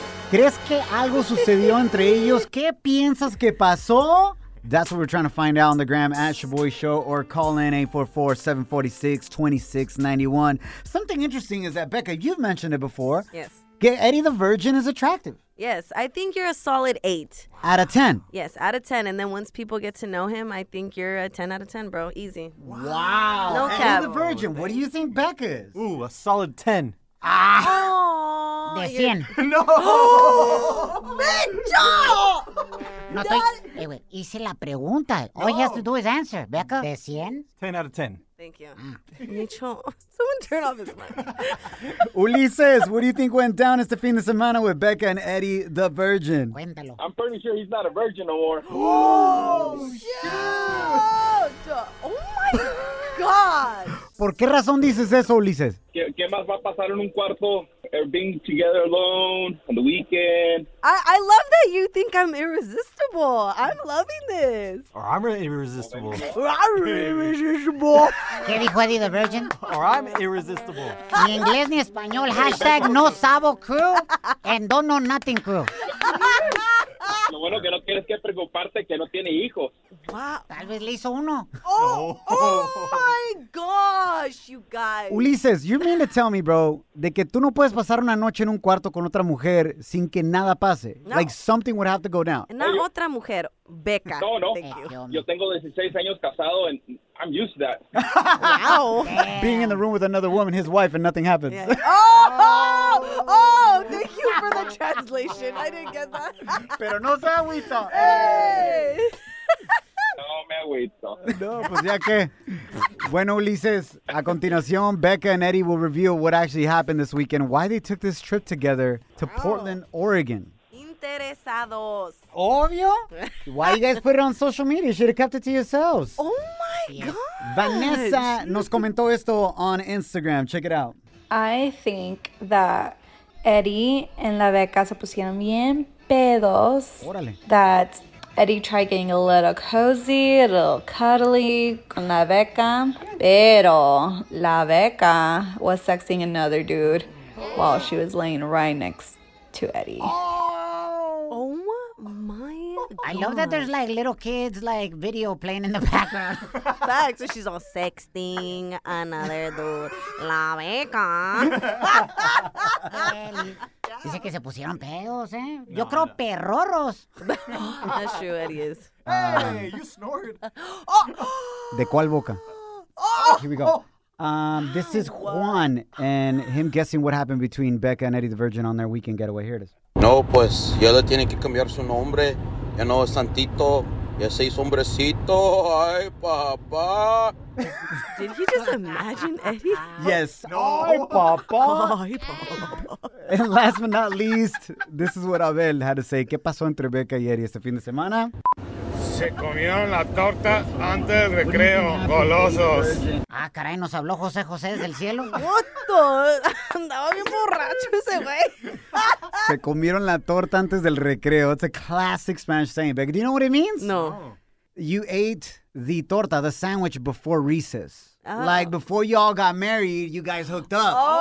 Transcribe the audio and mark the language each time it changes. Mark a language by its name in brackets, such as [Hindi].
[Spanish] ¿Crees que algo sucedió entre ellos? ¿Qué piensas que pasó? [English] That's what we're trying to find out on the gram at Shaboy Show, or call in 844-746-2691. Something interesting is that, Becca, you've mentioned it before. Yes. Eddie the Virgin is attractive. Yes, I think you're a solid 8. Out of 10? Yes, out of 10. And then once people get to know him, I think you're a 10 out of 10, bro. Easy. Wow. No and cap. And the virgin, what do you think Becca is? Ooh, a solid 10. Ah. [Spanish] Oh, de 100. No. [English] Bitch. [Spanish] No, estoy, hice la pregunta. [English] No. All he has to do is answer, Becca. [Spanish] De 100? [English] 10 out of 10. Thank you. Mm. Micho, someone turn off his mic. Ulises, what do you think went down [Spanish] este fin de semana [English] with Becca and Eddie, the virgin? [Spanish] Cuéntalo. [English] I'm pretty sure he's not a virgin no more. Oh, shit. Oh, my God. [Spanish] ¿Por qué razón dices eso, Ulises? ¿Qué más va a pasar en un cuarto? [English] Being together alone on the weekend. I love that you think I'm irresistible. I'm loving this. Or I'm irresistible. Or I'm irresistible. [Spanish] ¿Qué dijo Eddie the Virgin? [English] Or I'm irresistible. [Spanish] Ni inglés ni español. [English] Hashtag no sabo crew and don't know nothing crew. [Spanish] Lo bueno que no tienes que preocuparte que no tiene hijos. [English] Wow. [Spanish] Tal vez le hizo uno. [English] Oh, oh my gosh, you guys. Ulises, you mean to tell me, bro, [Spanish] de que tú no puedes pasar una noche en un cuarto con otra mujer sin que nada pase. No. [English] Like something would have to go down. [Spanish] No, hey, otra mujer, Becca. No, no. Yo tengo 16 años casado [English] and I'm used to that. Wow. Being in the room with another woman, his wife, and nothing happens. Yeah. Oh, thank you for the translation. I didn't get that. [Spanish] Pero no se agüita. Hey. No, me no, pues ya que. Bueno, Ulises, a continuación, [English] Becca and Eddie will reveal what actually happened this weekend, why they took this trip together to Portland, Oregon. [Spanish] Interesados. Obvio. [English] Why you guys put it on social media? You should have kept it to yourselves. Oh, my God. [Spanish] Vanessa nos comentó esto [English] on Instagram. Check it out. I think that Eddie and [Spanish] la Becca se pusieron bien pedos. Órale. [English] That Eddie tried getting a little cozy, a little cuddly [Spanish] con la Becca, pero la Becca [English] was sexting another dude while she was laying right next to Eddie. Oh, oh my God. I love that there's like little kids like video playing in the background. Facts. So she's all sexting another dude. [Spanish] La Becca. Dice que se pusieron pedos, ¿eh? No, yo creo perrorros. [English] That's true, Eddie is. Hey, you snored. [Spanish] ¿De cuál boca? Oh, [English] here we go. This is Juan and him guessing what happened between Becca and Eddie the Virgin on their weekend getaway. Here it is. [Spanish] No, pues, ya le tienen que cambiar su nombre. Ya no es Santito. Ya se hizo hombrecito. Ay, papá. [English] Did he just imagine Eddie? Yes. No. [Spanish] Ay, papá. Ay, papá. [English] And last but not least, this is what Abel had to say. [Spanish] ¿Qué pasó entre Becca y Eddie este fin de semana? Se comieron la torta antes del recreo, golosos. Ah, caray, nos habló José José desde el cielo. [English] What the? [Spanish] Andaba bien borracho ese güey. Se comieron la torta antes del recreo. [English] It's a classic Spanish saying. Becca, do you know what it means? No. You ate the torta, the sandwich, before recess. Oh. Like, before y'all got married, you guys hooked up.